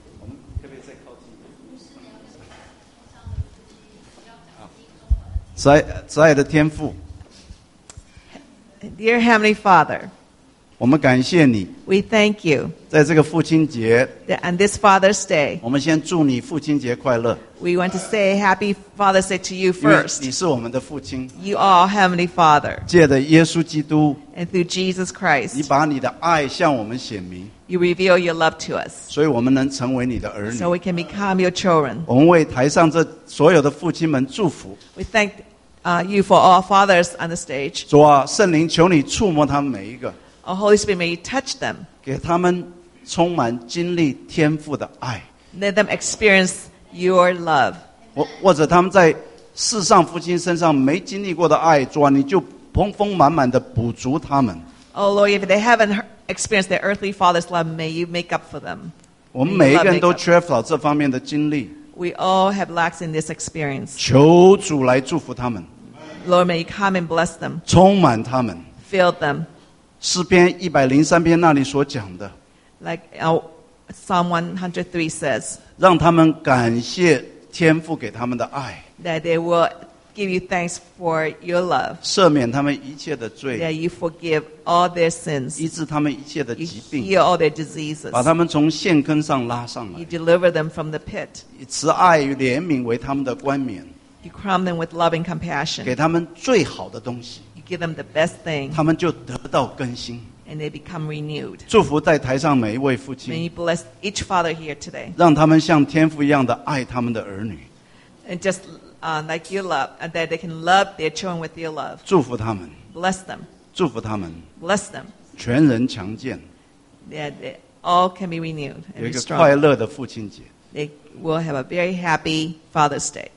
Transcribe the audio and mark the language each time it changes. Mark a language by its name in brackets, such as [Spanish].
[Chinese] 我们特别再靠近。慈爱的天父。 [English] Dear Heavenly Father. [Chinese] 我们感谢你。 [English] We thank you. [Chinese] 在这个父亲节。 [English] And this Father's Day. [Chinese] 我们先祝你父亲节快乐。 [English] We want to say Happy Father's Day to you first. [Chinese] 你是我们的父亲。 [English] You are Heavenly Father. [Chinese] 借着耶稣基督。 [English] And through Jesus Christ. [Chinese] 你把你的爱向我们显明。 [English] You reveal your love to us. [Chinese] 所以我们能成为你的儿女。 [English] So we can become your children. [Chinese] 我们为台上这所有的父亲们祝福。 [English] We thank you for all fathers on the stage. [Chinese] 主啊，圣灵求你触摸他们每一个。 [English] Oh, Holy Spirit, may you touch them. [Chinese] 给他们充满经历天父的爱。 [English] Let them experience your love. [Chinese] 或者他们在世上父亲身上没经历过的爱，主啊，你就丰丰满满的补足他们。 [English] Oh Lord, if they haven't experienced their earthly father's love, may you make up for them. [Chinese] 我们每一个人都缺乏这方面的经历。 [English] We all have lacks in this experience. [Chinese] 求主来祝福他们。 [English] Lord, may you come and bless them. [Chinese] 充满他们。 [English] Fill them. [Chinese] 诗篇一百零三篇那里所讲的 [English] ，Like Psalm 103 says， [Chinese] 让他们感谢天父给他们的爱 [English] ，That they will give you thanks for your love， [Chinese] 赦免他们一切的罪 [English] ，That you forgive all their sins， [Chinese] 医治他们一切的疾病 [English] ，You heal all their diseases， [Chinese] 把他们从陷坑上拉上来 [English] ，You deliver them from the pit， [Chinese] 以慈爱与怜悯为他们的冠冕 [English] ，You crown them with love and compassion， [Chinese] 给他们最好的东西。 [English] Give them the best thing. [Chinese] 他们就得到更新。 [English] And they become renewed. [Chinese] 祝福在台上每一位父亲。 [English] May you bless each father here today. [Chinese] 让他们像天父一样的爱他们的儿女。 [English] And just like your love, that they can love their children with your love. [Chinese] 祝福他们。 [English] Bless them. [Chinese] 祝福他们。 [English] Bless them. [Chinese] 全人强健。 [English] That they all can be renewed and strong. [Chinese] 有一个快乐的父亲节。 [English] They will have a very happy Father's Day.